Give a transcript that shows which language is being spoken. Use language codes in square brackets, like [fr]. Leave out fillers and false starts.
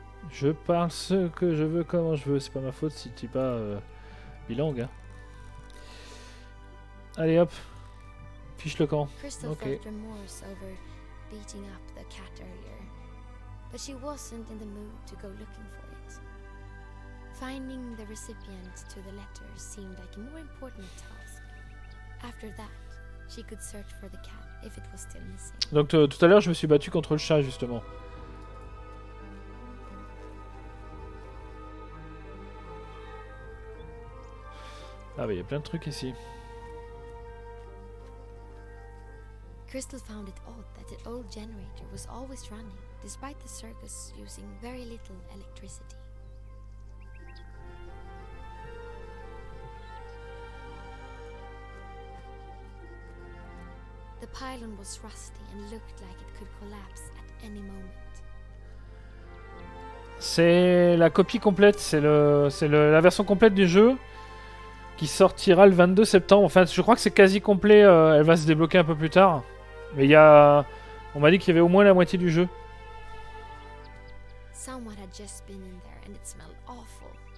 [fr] Je parle ce que je veux, comment je veux. C'est pas ma faute si tu es pas bilingue, hein. Allez, hop. Fiche le camp. [en] Crystal okay. Felt remorse over beating up the cat earlier, but she wasn't in the mood to go looking for it. Finding the recipient to the letter seemed like a more important task. After that, she could search for the cat if it was still missing. [fr] Donc tout à l'heure, je me suis battu contre le chat justement. Ah bah, y a plein de trucs ici. [en] Crystal found it odd that the old generator was always running, despite the circus using very little electricity. The pylon was rusty and looked like it could collapse at any moment. [fr] C'est la copie complète, c'est la version complète du jeu. Qui sortira le 22 septembre. Enfin, je crois que c'est quasi complet, elle va se débloquer un peu plus tard. Mais il y a. On m'a dit qu'il y avait au moins la moitié du jeu. [en] Someone had just been in there and it smelled awful.